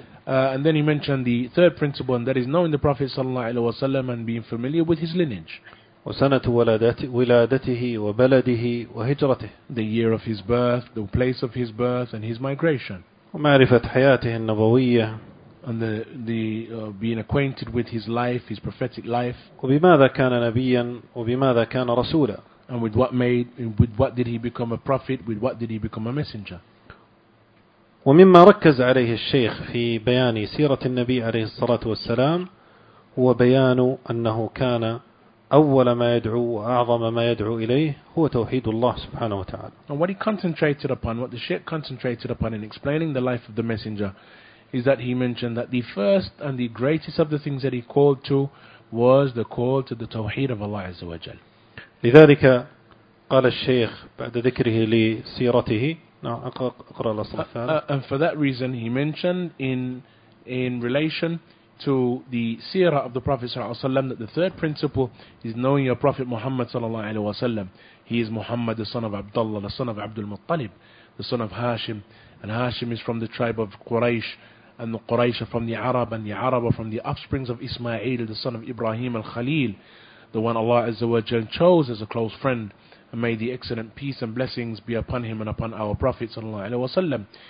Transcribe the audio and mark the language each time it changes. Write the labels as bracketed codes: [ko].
[en] And then he mentioned the third principle, and that is knowing the Prophet صلى الله عليه وسلم and being familiar with his lineage. [ar] وسنة ولادته وبلده وهجرته. [en] The year of his birth, the place of his birth, and his migration. [ar] ومعرفة حياته النبوية. [en] And being acquainted with his life, his prophetic life. [ar] وبماذا كان نبيا وبماذا كان رسولا. [en] And with what did he become a prophet? With what did he become a messenger? [ar] ومما ركز عليه الشيخ في بيان سيرة النبي عليه الصلاة والسلام هو بيان أنه كان أول ما يدعو وأعظم ما يدعو إليه هو توحيد الله سبحانه وتعالى. [en] And what he concentrated upon, what the Sheikh concentrated upon in explaining the life of the Messenger, is that he mentioned that the first and the greatest of the things that he called to was the call to the توحيد of Allah عز وجل. [ar] لذلك قال الشيخ بعد ذكره لسيرته. أقرأ الأصل الثالث. [en] And for that reason, he mentioned in relation to the seerah of the Prophet صلى الله عليه وسلم, that the third principle is knowing your Prophet Muhammad صلى الله عليه وسلم. He is Muhammad, the son of Abdullah, the son of Abdul Muttalib, the son of Hashim, and Hashim is from the tribe of Quraysh, and the Quraysh are from the Arab, and the Arab are from the offsprings of Ismail, the son of Ibrahim al-Khalil, the one Allah Azza wa Jal chose as a close friend, and may the excellent peace and blessings be upon him and upon our Prophet صلى الله عليه وسلم.